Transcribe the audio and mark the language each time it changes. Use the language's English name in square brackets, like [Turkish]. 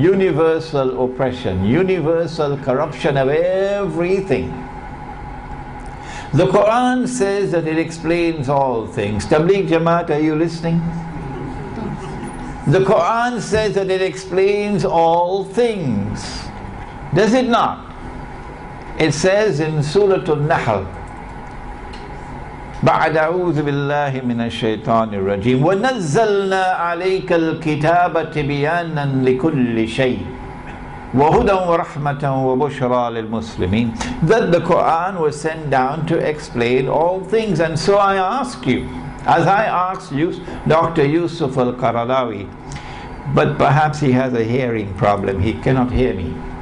[English] Universal oppression, universal corruption of everything. The Quran says that it explains all things. Tabligh Jamaat, are you listening? The Quran says that it explains all things. Does it not? It says in Surah An-Nahl, [Arabic] بَعْدَ أَعُوذُ بِاللَّهِ مِنَ الشَّيْطَانِ الرَّجِيمِ وَنَزَّلْنَا عَلَيْكَ الْكِتَابَ تِبِيَانًا لِكُلِّ شَيْءٍ وَهُدًى وَرَحْمَةً وَبُشْرَى لِلْمُسْلِمِينَ. [English] That the Quran was sent down to explain all things. And so I ask you, as I ask Dr. Yusuf Al-Qaradawi, but perhaps he has a hearing problem, he cannot hear me.